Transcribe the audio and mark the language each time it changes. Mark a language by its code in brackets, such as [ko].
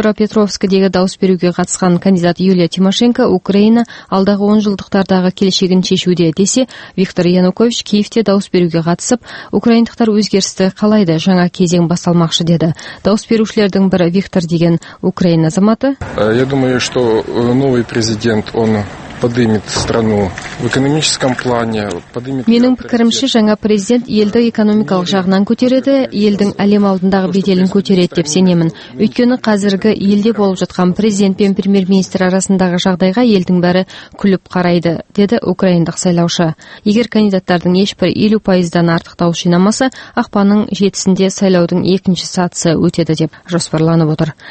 [kk] Петровскідегі дауыс беруге қатысқан кандидат Юлия Тимошенко Украина алдағы 10 жылдықтардағы келешегін шешуде десе, Виктор Янукович Киевте дауыс беруге қатысып, украиндықтар өзгерісті қалайды, жаңа кезең басталмақшы деді. Дауыс берушілердің бірі Виктор деген Украина азаматы. [ru] Я думаю, что новый президент он поднимет страну в экономическом плане, поднимет. [kk] Менің пікірімше, жаңа президент елді экономикалық жағынан көтереді, елдің әлем алдындағы беделін көтереді деп сенемін. Өйткені қазіргі елде болып жатқан президент пен премьер-министр арасындағы жағдайға елдің бәрі күліп қарайды, деді украиндық сайлаушы. Егер кандидаттардың ешбір 50%-дан артық дауыс жинамаса, ақпанның 7-сінде сайлаудың екінші сатысы өтеді деп жоспарланып отыр.